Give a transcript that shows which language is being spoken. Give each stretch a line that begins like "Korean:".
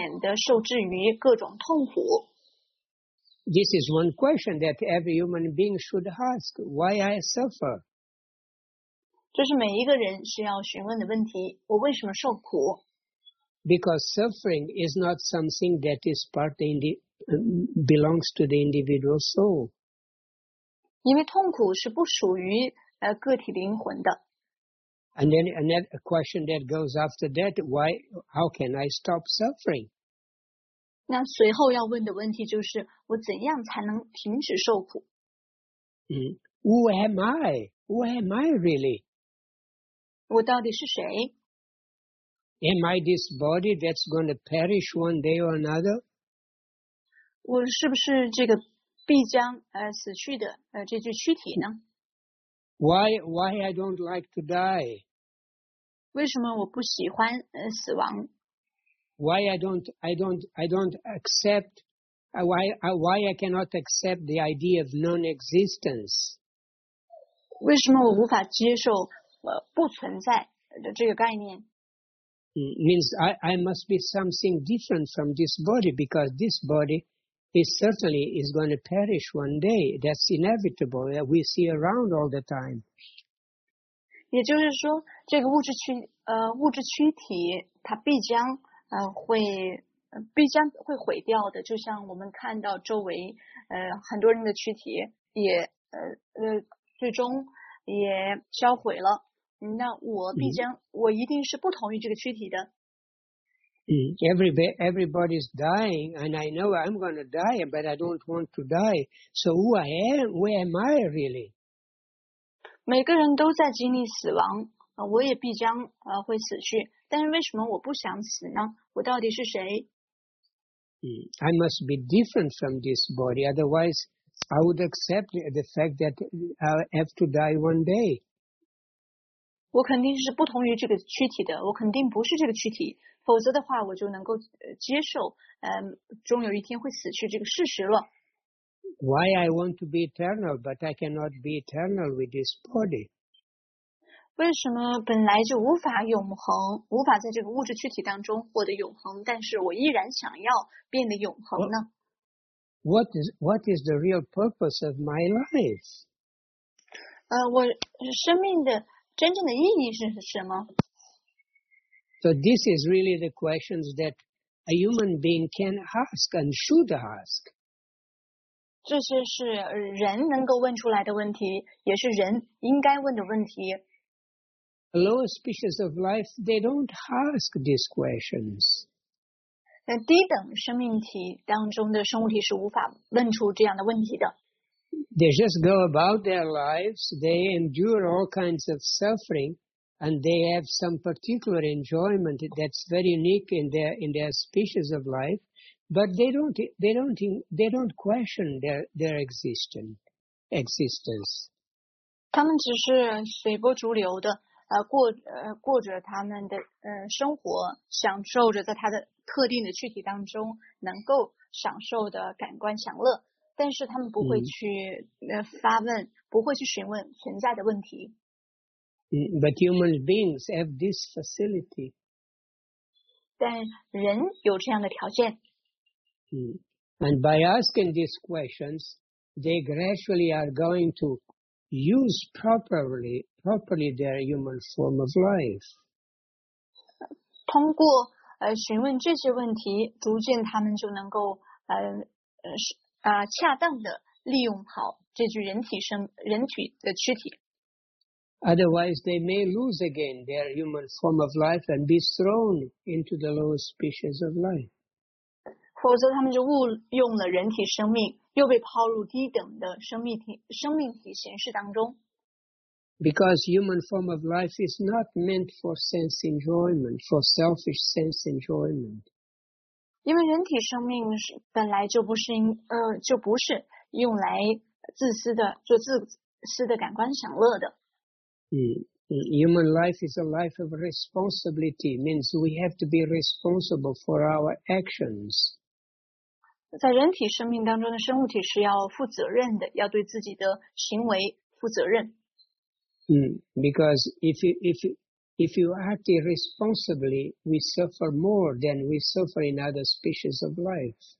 Chinese: 为什么我不可避免地受制于各种痛苦？
English: This is one question that every human being should ask. Why I suffer?
Chinese: 这是每一个人需要询问的问题，我为什么受苦？
English: Because suffering is not something that is part of belongs to the individual soul.
Chinese: 因为痛苦是不属于个体灵魂的。
English: And then another question that goes after that, why, how can I stop suffering?
Chinese: 那随后要问的问题就是我怎样才能停止受苦、
English: Who am I? Who am I really?
Chinese: 我到底是谁？
English: Am I this body that's going to perish one day or another?
Chinese: 我是不是这个必将死去的这具躯体呢？
English: Why I don't like to die?
Chinese: 为什么我不喜欢死亡？
English: Why I don't accept, why I cannot accept the idea of non-existence?
Chinese: 为什么我无法接受不存在的这个概念？
English: Means I must be something different from this body because this body is certainly is going to perish one day. That's inevitable that we see around all the time.
Chinese: 也就是说，这个物质躯体它必将会毁掉的，就像我们看到周围很多人的躯体也最终也销毁了。那我必将、我一定是不同于这个躯体的。
English: Everybody's dying, and I know I'm going to die, but I don't want to die. So who I am? Where am I really?
Chinese: 每个人都在经历死亡，我也必将会死去。但是为什么我不想死呢？我到底是谁？
English: I must be different from this body, otherwise I would accept the fact that I have to die one day.
Chinese: 我肯定是不同于这个躯体的，我肯定不是这个躯体，否则的话我就能够接受终有一天会死去这个事实了。
English: Why I want to be eternal, but I cannot be eternal with this body?
Chinese: 为什么本来就无法永恒，无法在这个物质躯体当中获得永恒，但是我依然想要变得永恒呢？
English: What is the real purpose of my life?
Chinese: 我生命的真正的意义是什么？
English: So this is really the questions that a human being can ask and should ask.
Chinese: 这些是人能够问出来的问题，也是人应该问的问题。
English: The lower species of life, they don't ask these questions.
Chinese: 那低等生命体当中的生物体是无法问出这样的问题的。
English: They just go about their lives, they endure all kinds of suffering, and they have some particular enjoyment that's very unique in their species of life, but they don't question their existence.
Chinese: 他们只是随波逐流的过着他们的生活，享受着在他的特定的躯体当中能够享受的感官享乐。但是他们不会去发问，不会去询问存在的问题。
English: But human beings have this facility.
Chinese: 但人有这样的条件。
English: And by asking these questions, they gradually are going to use properly their human form of life.
Chinese: 通过询问这些问题，逐渐他们就能够恰当的利用好这具人体的躯体。
English: Otherwise, they may lose again their human form of life and be thrown into the lower species of life.
Chinese: 否则他们就误用了人体生命，又被抛入低等的生命体形式当中。
English: Because human form of life is not meant for sense enjoyment, for selfish sense enjoyment.
Chinese: 因为人体生命是本来就不是用来自私的做自私的感官享乐的。
English: Human life is a life of responsibility, means we have to be responsible for our actions.
Chinese: 在人体生命当中的生物体是要负责任的，要对自己的行为负责任。
English: Because if you act irresponsibly, we suffer more than we suffer in other species of life.